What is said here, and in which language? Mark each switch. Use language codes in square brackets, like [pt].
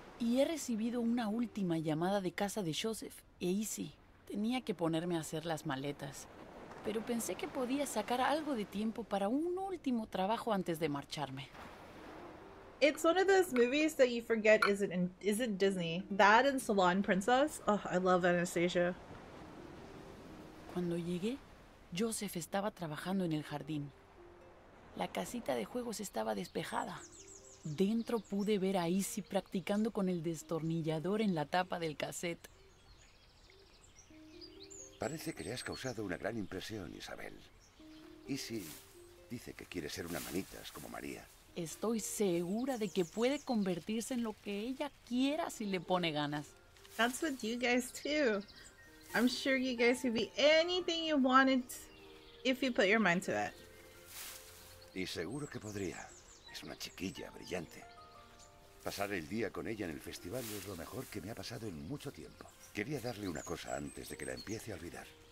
[es] Y he recibido una última llamada de casa de Joseph e Izzy. Tenía que ponerme a hacer las maletas. Pero pensé que podía sacar algo de tiempo para un último trabajo antes de marcharme. [en] It's one of those movies that you forget isn't Disney. That and Salon Princess. Oh, I love Anastasia. [es] Cuando llegué, Joseph estaba trabajando en el jardín. La casita de juegos estaba despejada. Dentro pude ver a Izzy practicando con el destornillador en la tapa del cassette. Parece que le has causado una gran impresión, Isabel. Izzy dice que quiere ser una manitas como María. Estoy segura de que puede convertirse en lo que ella quiera si le pone ganas. [en] That's with you guys too. I'm sure you guys could be anything you wanted if you put your mind to it. [es] Y seguro que podría. Es una chiquilla brillante. Pasar el día con ella en el festival es lo mejor que me ha pasado en mucho tiempo. Quería darle una cosa antes de que la empiece a olvidar.